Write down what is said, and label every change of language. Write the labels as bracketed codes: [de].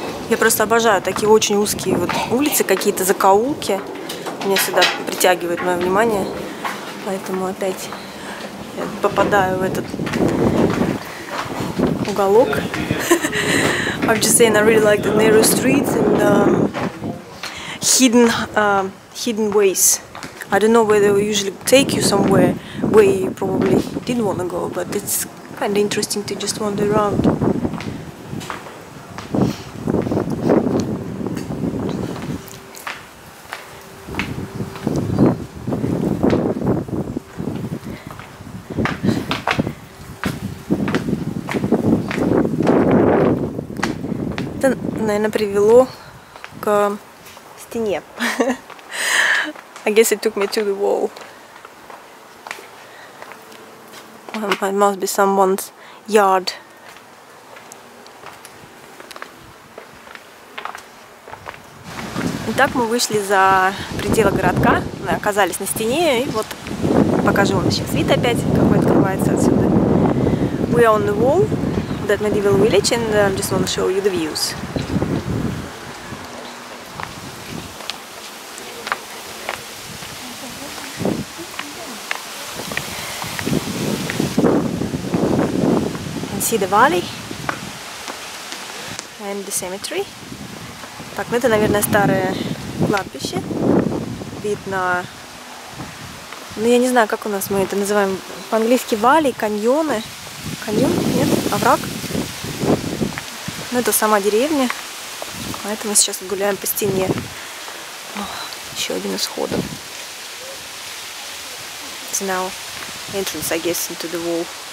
[ru] Я просто обожаю такие очень узкие вот улицы, какие-то закоулки. Меня всегда притягивает мое внимание. Поэтому опять я попадаю в этот уголок. [en] I'm just saying, I really like the narrow streets and hidden ways. I don't know where they will usually take you somewhere where you probably didn't want to go, but it's kind of interesting to just wander around. [ru] Это, наверное, привело к стене. [en] I guess it took me to the wall. Well, it must be someone's yard. [ru] Итак, мы вышли за пределы городка, мы оказались на стене, и вот покажу вам сейчас вид опять, какой открывается отсюда. [en] We are on the wall. That medieval village, and I just want to show you the views. And see the valley and the cemetery. [ru] Так, это, наверное, старое кладбище. Видно. Ну, я не знаю, как у нас мы это называем. По-английски valley, каньоны. Каньон? Нет? Овраг? Ну, это сама деревня, поэтому сейчас гуляем по стене. О, еще один из входов. [en] It's now entrance, I guess, into the wall.